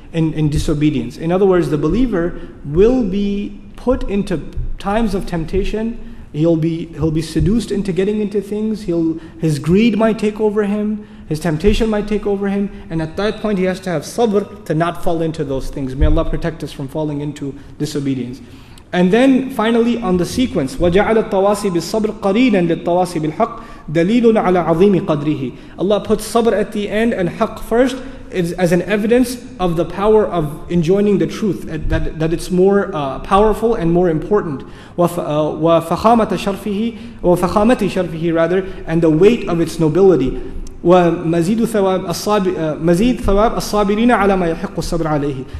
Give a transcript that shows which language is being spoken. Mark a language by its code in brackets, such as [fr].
[en] In disobedience. In other words, the believer will be put into times of temptation. He'll be seduced into getting into things. His greed might take over him. His temptation might take over him. And at that point, he has to have sabr to not fall into those things. May Allah protect us from falling into disobedience. And then finally, on the sequence, [ar] وَجَعَلَ التَّوَاسِي بِالصَّبْرِ قَرِينًا لِلتَّوَاسِي بِالْحَقِّ دَلِيلٌ عَلَى عَظِيمِ قَدْرِهِ. [en] Allah puts sabr at the end and haqq first, is as an evidence of the power of enjoining the truth, that it's more powerful and more important. [ar] وَفَخَامَةِ شَرْفِهِ [en] and the weight of its nobility. [ar] وَمَزِيدُ ثَوَابِ الصَّابِرِينَ عَلَى مَا يَحِقُّ الصَّبْرَ عَلَيْهِ.